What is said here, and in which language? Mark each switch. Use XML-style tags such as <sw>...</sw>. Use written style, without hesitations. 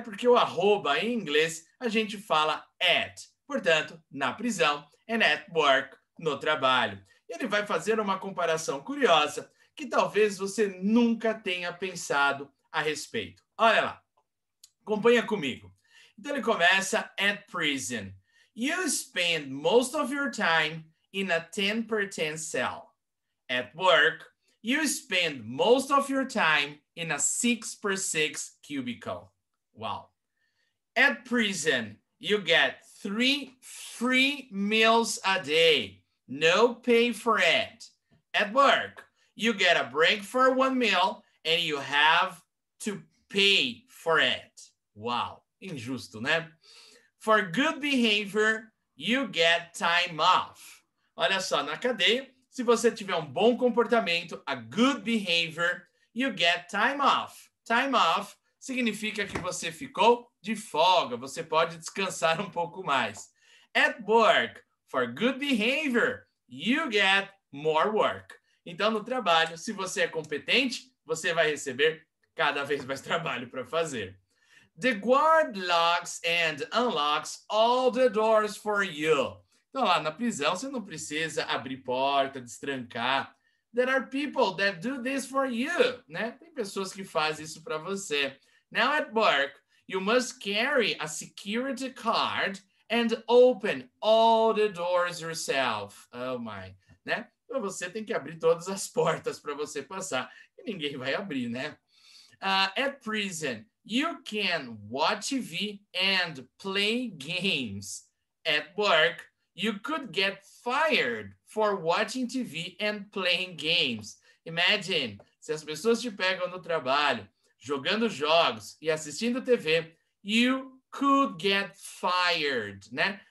<pt>Porque o arroba em inglês, a gente fala at. Portanto, na prisão.</pt> <en>And at work,</en> <pt>no trabalho. Ele vai fazer uma comparação curiosa que talvez você nunca tenha pensado a respeito. Olha lá. Acompanha comigo. Então, ele começa</pt> <en>at prison. You spend most of your time in a 10x10 cell. At work, you spend most of your time in a 6x6 cubicle. Wow. At prison, you get 3 free meals a day. No pay for it. At work, you get a break for one meal and you have to pay for it. Wow.</en> <pt>Injusto, né?</pt> <en>For good behavior, you get time off.</en> <pt>Olha só, na cadeia, se você tiver um bom comportamento, a good behavior, you get time off. Time off significa que você ficou de folga, você pode descansar um pouco mais.</pt> <en>At work, for good behavior, you get more work.</en> <pt>Então, no trabalho, se você é competente, você vai receber cada vez mais trabalho para fazer.</pt> <en>The guard locks and unlocks all the doors for you.</en> <pt>Então, lá na prisão, você não precisa abrir porta, destrancar.</pt> <en>There are people that do this for you,</en> <pt>né? Tem pessoas que fazem isso para você.</pt> <en>Now at work, you must carry a security card and open all the doors yourself. Oh my, né?</en> <pt>Então, você tem que abrir todas as portas para você passar. E ninguém vai abrir, né?</pt> <en>At prison, you can watch TV and play games. At work, you could get fired for watching TV and playing games.</en> <pt>Imagine, se as pessoas te pegam no trabalho, jogando jogos e assistindo TV,</pt> <en>you could get fired,</en> <pt>né?</pt>